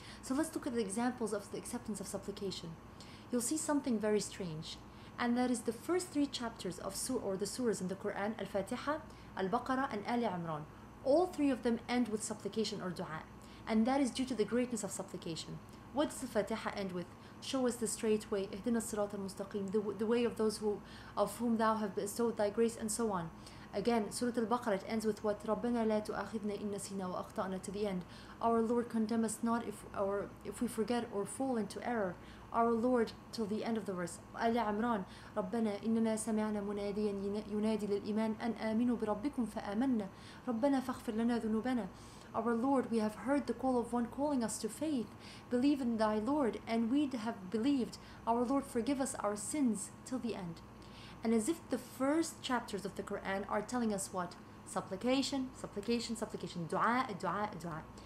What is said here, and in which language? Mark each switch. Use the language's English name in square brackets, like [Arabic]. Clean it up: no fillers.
[English] So let's look at the examples of the acceptance of supplication. You'll see something very strange, and that is the first three chapters of the surahs in the Quran, Al-Fatiha, Al-Baqarah, and Ali Imran. All three of them end with supplication or dua, and that is due to the greatness of supplication. What does Al-Fatiha end with? Show us the straight way, [Arabic] اهدنا الصراط المستقيم, [English] the way of those of whom thou have bestowed thy grace, and so on. Again, Surah Al-Baqarah ends with what? [Arabic] ربنا لا تؤاخذنا إن نسينا وأخطأنا, [English] to the end. Our Lord condemn us not if we forget or fall into error. Our Lord, till the end of the verse. [Arabic] Ali Imran, ربنا إننا سمعنا مناديا ينادي للإيمان أن آمنوا بربكم فآمنا ربنا فاغفر لنا ذنوبنا. [English] Our Lord, we have heard the call of one calling us to faith. Believe in thy Lord, and we have believed. Our Lord, forgive us our sins, till the end. And as if the first chapters of the Quran are telling us what? Supplication, supplication, supplication. Dua, dua, dua.